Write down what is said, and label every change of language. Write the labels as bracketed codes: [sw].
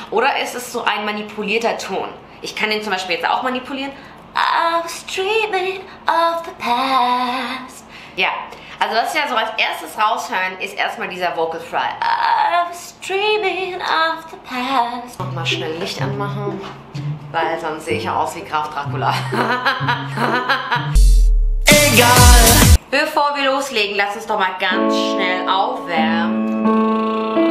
[de] Oder ist es so ein manipulierter Ton? Ich kann den zum Beispiel jetzt auch manipulieren. [en] I'm dreaming of the past. Ja. [de] Also was wir so als erstes raushören, ist erstmal dieser Vocal Fry. [en] I was dreaming of the past. [de] Nochmal schnell Licht anmachen, weil sonst sehe ich ja aus wie Graf Dracula. Egal. Bevor wir loslegen, lass uns doch mal ganz schnell aufwärmen.